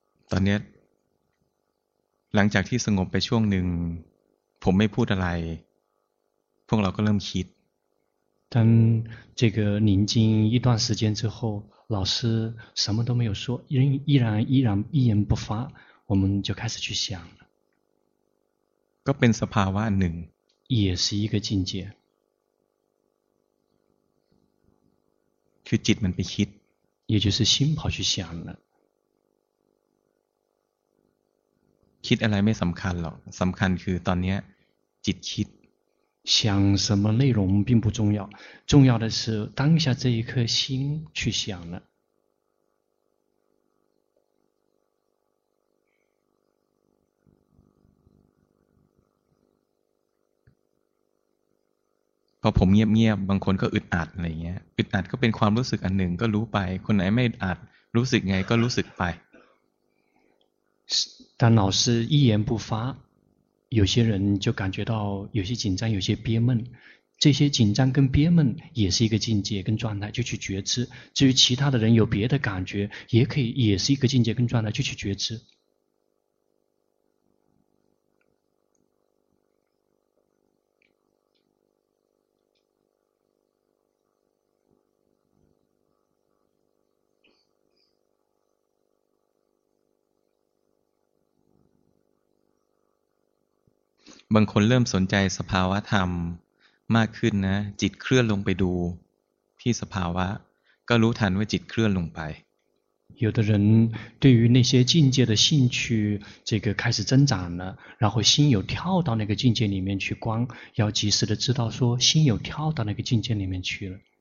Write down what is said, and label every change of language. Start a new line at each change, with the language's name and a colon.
Thai: ตอนนี้หลังจากที่สงบไปช่วงหนึ่งผมไม่พูดอะไรพวกเราก็เริ่มคิด
Chinese: 当这个宁静一段时间之后老师什么都没有说依然一言不发我们就开始去想
Thai: ก็เป็นสภาวะหนึ่ง
Chinese: 也是一个境界
Thai: คือจิตมันไปคิด
Chinese: 也就是心跑去想了
Thai: คิดอะไรไม่สำคัญหรอกสำคัญคือตอนนี้จิตคิด
Chinese: 想什么内容并不重要重要的是当下这一颗心去想了
Thai: พอผมเงียบๆบางคนก็อึดอัดอะไรเงี้ยอึดอัดก็เป็นความรู้สึกอันหนึ่งก็รู้ไปคนไหนไม่อึดอัดรู้สึกไงก็รู้สึกไป
Chinese: 当老师一言不发有些人就感觉到有些紧张，有些憋闷，这些紧张跟憋闷也是一个境界跟状态，就去觉知。至于其他的人有别的感觉，也可以，也是一个境界跟状态，就去觉知。
Thai: บางคนเริ่มสนใจสภาวะธรรมมากขึ้นนะจิตเคลื่อนลงไปดูที่สภาวะก็รู้ทันว่าจิตเคลื่อนลงไป
Chinese: 有的人对于那些境界的兴趣这个开始增长了然后心有跳到那个境界里面去观要及时的知道说心有跳到那个境界里面去了